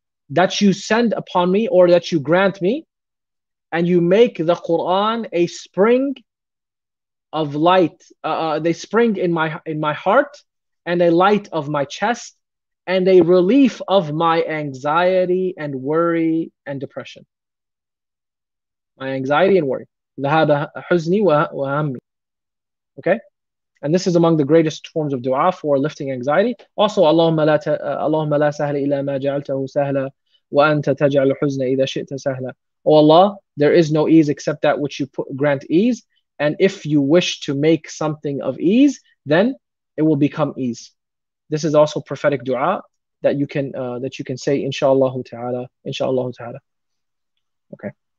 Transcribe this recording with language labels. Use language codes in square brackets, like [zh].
[en] that you send upon me or that you grant me, and you make the Quran a spring of light, they spring in my heart and a light of my chest and a relief of my anxiety and worry and depression. My anxiety and worry. [ar] ذَهَابَ حُزْنِي وَهَمِّي. [en] Okay? And this is among the greatest forms of dua for lifting anxiety. Also, [ar] اللهم لا سهل إلا ما جعلته سهلا وأنت تجعل الحزن إذا شئت سهلا. [en] Oh Allah, there is no ease except that which you grant ease. And if you wish to make something of ease, then it will become ease. This is also prophetic dua that you can say, inshallah ta'ala, inshallah ta'ala. Okay.